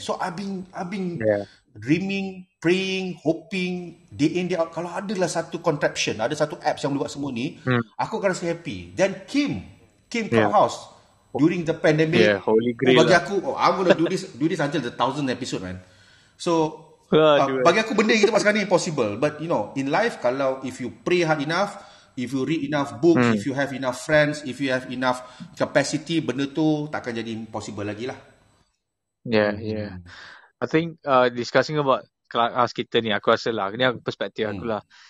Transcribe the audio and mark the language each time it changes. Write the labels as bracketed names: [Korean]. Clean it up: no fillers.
[English] So, I've been dreaming, praying, hoping, day in, day out. [Malay] Kalau adalah satu contraption, ada satu apps yang boleh buat semua ni, aku akan rasa happy. [English] Then Kim Clubhouse, during the pandemic, holy grail [Malay] bagi aku, [English] I'm going to do this until the 1000th episode, man. [Malay] So, bagi aku benda yang kita buat sekarang ni impossible. [English] But, you know, in life, kalau if you pray hard enough, if you read enough books, if you have enough friends, if you have enough capacity, [Malay] benda tu takkan jadi impossible lagi lah. [English] I think discussing about class [Malay] kita ni, aku rasa lah, ni perspektif akulah.